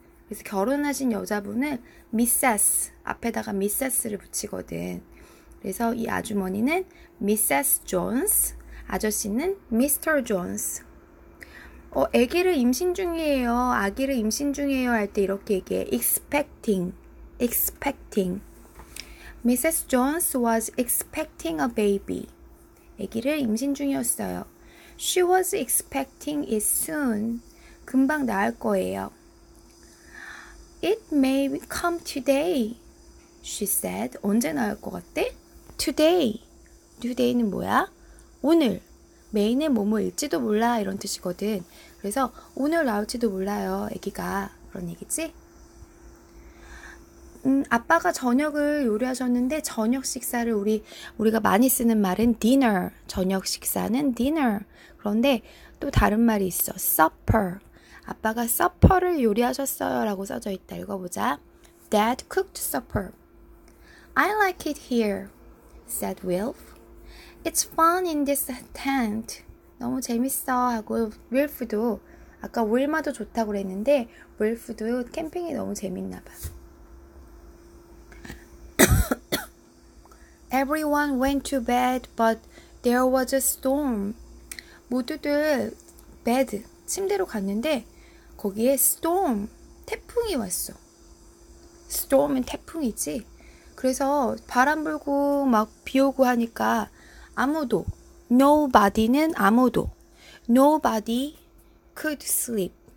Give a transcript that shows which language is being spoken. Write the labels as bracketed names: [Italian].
[Korean] 그래서 결혼하신 여자분은 미세스 앞에다가 미세스를 붙이거든. 그래서 이 아주머니는 미세스 존스, 아저씨는 미스터 존스. 아기를 임신 중이에요. 아기를 임신 중이에요 할때 이렇게 얘기해. [English] expecting. Expecting. Mrs. Jones was expecting a baby. [Korean] 아기를 임신 중이었어요. [English] She was expecting it soon. [Korean] 금방 낳을 거예요. [English] It may come today, she said. [Korean] 언제 낳을 것 같대? Today. Today는 뭐야? 오늘. May는 뭐뭐일지도 몰라. 이런 뜻이거든. 그래서 오늘 나올지도 몰라요. 아기가. 그런 얘기지? 아빠가 저녁을 요리하셨는데 저녁 식사를 우리가 많이 쓰는 말은 dinner. 저녁 식사는 dinner. 그런데 또 다른 말이 있어. [English] supper. [Korean] 아빠가 supper를 요리하셨어요라고 써져 있다. 읽어보자. [English] Dad cooked supper. I like it here, said Wilf. It's fun in this tent. [Korean] 너무 재밌어 하고 Wilf도 아까 울마도 좋다고 그랬는데 Wilf도 캠핑이 너무 재밌나 봐. [English] Everyone went to bed, but there was a storm. [Korean] 모두들 bed, 침대로 갔는데 거기에 storm, 태풍이 왔어. Storm은 태풍이지. 그래서 바람 불고 막비 오고 하니까 아무도, nobody는 아무도, [English] nobody could sleep.